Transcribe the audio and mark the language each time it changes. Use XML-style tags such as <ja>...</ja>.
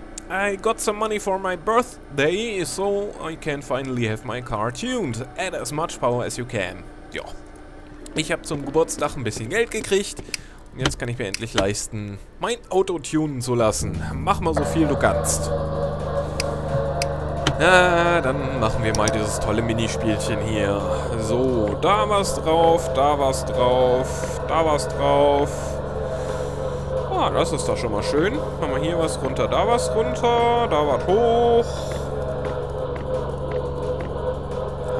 <en>I got some money for my birthday, so I can finally have my car tuned. Add as much power as you can.</en> <de>Ja. Ich habe zum Geburtstag ein bisschen Geld gekriegt. Und jetzt kann ich mir endlich leisten, mein Auto tunen zu lassen. Mach mal so viel du kannst. Dann machen wir mal dieses tolle Minispielchen hier. So, da war's drauf, da war's drauf, da war's drauf. Ah, das ist doch schon mal schön. Machen wir hier was runter, da was runter, da was hoch.</de>